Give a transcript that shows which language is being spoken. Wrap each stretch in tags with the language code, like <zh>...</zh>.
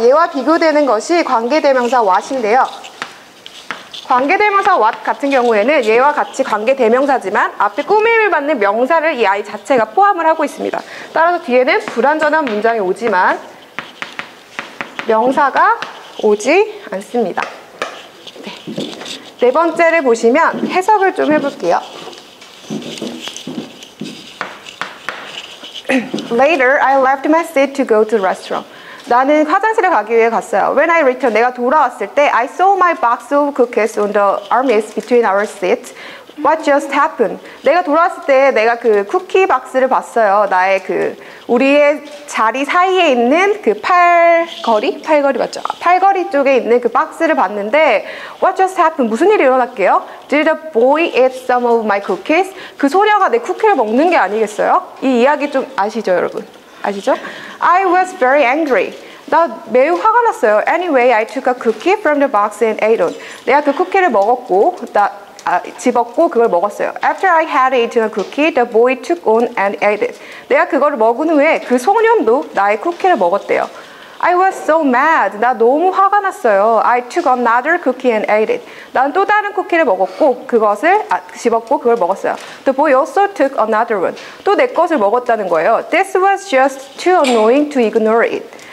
<ko>얘와 비교되는 것이 관계대명사 왓인데요. 관계대명사 왓 같은 경우에는 얘와 같이 관계대명사지만 앞에 꾸밈을 받는 명사를 이 아이 자체가 포함을 하고 있습니다. 따라서 뒤에는 불완전한 문장이 오지만 명사가 오지 않습니다. 네. 네 번째를 보시면 해석을 좀 해볼게요.</ko> <en>Later, I left my seat to go to the restroom.</en> <ko>나는 화장실에 가기 위해 갔어요.</ko> <en>When I returned,</en> <ko>내가 돌아왔을 때,</ko> <en>I saw my box of cookies on the armrest between our seats. What just happened?</en> <ko>내가 돌아왔을 때 내가 그 쿠키 박스를 봤어요. 나의 그 우리의 자리 사이에 있는 그 팔걸이? 팔걸이 맞죠? 팔걸이 쪽에 있는 그 박스를 봤는데</ko> <en>What just happened?</en> <ko>무슨 일이 일어났게요?</ko> <en>Did a boy eat some of my cookies?</en> <ko>그 소녀가 내 쿠키를 먹는 게 아니겠어요? 이 이야기 좀 아시죠, 여러분? 아시죠?</ko> <en>I was very angry.</en> <ko>나 매우 화가 났어요.</ko> <en>Anyway, I took a cookie from the box and ate it.</en> <ko>내가 그 쿠키를 먹었고 집었고 그걸 먹었어요.</ko> <en>After I had eaten a cookie, the boy took on and ate it.</en> <ko>내가 그걸 먹은 후에 그 소년도 나의 쿠키를 먹었대요.</ko> <en>I was so mad.</en> <ko>나 너무 화가 났어요.</ko> <en>I took another cookie and ate it.</en> <ko>난 또 다른 쿠키를 먹었고 집었고 그걸 먹었어요.</ko> <en>The boy also took another one.</en> <ko>또 내 것을 먹었다는 거예요.</ko> <en>This was just too annoying to ignore it.</en>